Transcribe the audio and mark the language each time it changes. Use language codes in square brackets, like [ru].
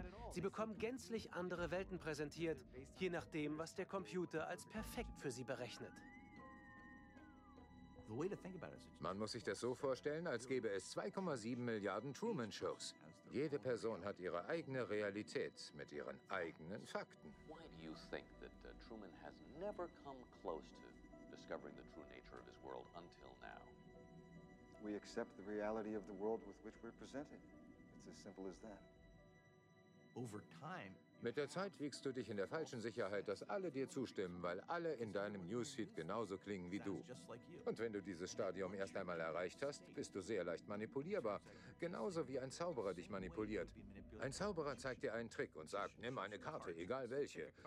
[de] Sie bekommen gänzlich andere Welten präsentiert, je nachdem, was der Computer als perfekt für sie berechnet. Man muss sich das so vorstellen, als gäbe es 2,7 Milliarden Truman-Shows. Jede Person hat ihre eigene Realität mit ihren eigenen Fakten. [en] Why do you think that Truman has never come close to discovering the true nature of his world until now? We accept the reality of the world with which we're presented. It's as simple as that. Over time. [de] Mit der Zeit wiegst du dich in der falschen Sicherheit, dass alle dir zustimmen, weil alle in deinem Newsfeed genauso klingen wie du. Und wenn du dieses Stadium erst einmal erreicht hast, bist du sehr leicht manipulierbar. Genauso wie ein Zauberer dich manipuliert. Ein Zauberer zeigt dir einen Trick und sagt, nimm eine Karte, egal welche.